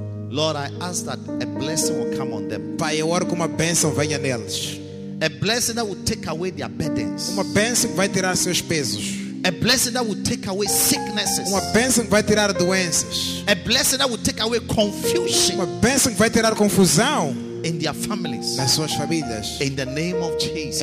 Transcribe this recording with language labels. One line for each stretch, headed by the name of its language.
English: Lord, I ask that a blessing will come on them.
Portuguese: Pai, eu oro que uma bênção venha neles.
English: A blessing that will take away their burdens.
Portuguese: Uma bênção que vai tirar seus pesos.
English: A blessing that will take away sicknesses.
Portuguese: Uma bênção que vai tirar doenças.
English: A blessing that will take away confusion.
Portuguese: Uma bênção que vai tirar confusão.
English: In their families.
Portuguese: Nas suas famílias.
English: In the name of Jesus.